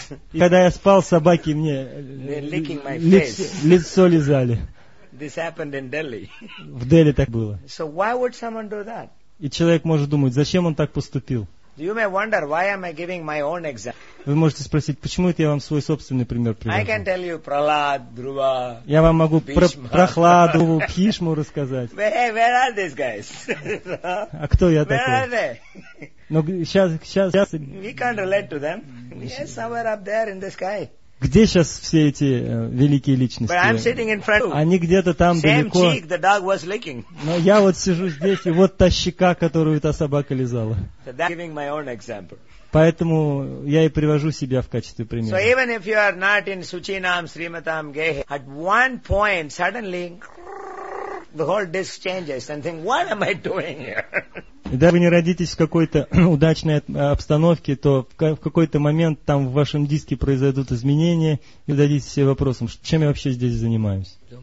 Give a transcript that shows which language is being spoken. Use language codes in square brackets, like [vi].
[ru] Когда я спал, собаки мне лицо лизали. В Дели так было. И человек может думать, зачем он так поступил? [en] You may wonder why am I giving my own example. [ru] Вы можете спросить, почему это я вам свой собственный пример привожу? [en] I can tell you Prahlad, Dhruva. [ru] Я вам могу Прохладу, Бхишму рассказать. [en] Where are these guys? [ru] А кто я [en] where [ru] такой? [en] Are they? [ru] Но сейчас. [en] We can't relate to them. Yes, somewhere up there in the sky. [ru] Где сейчас все эти великие личности? [en] But I'm sitting in front of you. [ru] Они где-то там [en] Same [ru] далеко. [en] Cheek, the dog was licking. [ru] Но я вот сижу здесь, и вот та щека, которую та собака лизала. [en] So that's giving my own example. [ru] Поэтому я и привожу себя в качестве примера. [en] So even if you are not in Suchinam, Srimatam, Gehe, at one point suddenly the whole disc changes and think, what am I doing here? [ru] И даже вы не родитесь в какой-то удачной обстановке, то в какой-то момент там в вашем диске произойдут изменения, и вы зададите себе вопросом, чем я вообще здесь занимаюсь.